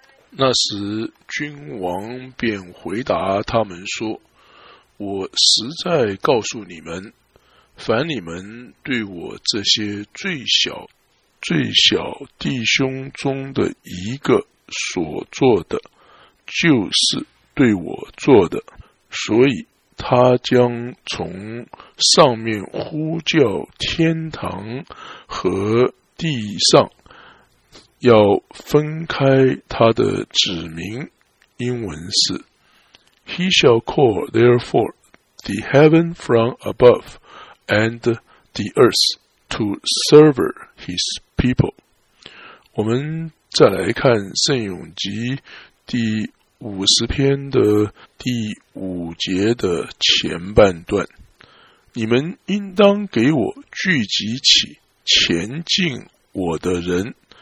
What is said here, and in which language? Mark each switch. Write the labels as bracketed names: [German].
[Chinese] 那时君王便回答他们说，我实在告诉你们，凡你们对我这些最小最小弟兄中的一个所做的，就是对我做的。所以他将从上面呼叫天堂和地上，要分开他的子民。英文是 [English] He shall call therefore the heaven from above and the earth to sever his people。 [Chinese] 我们再来看圣咏集第50篇的第5节的前半段，你们应当给我聚集起前进我的人。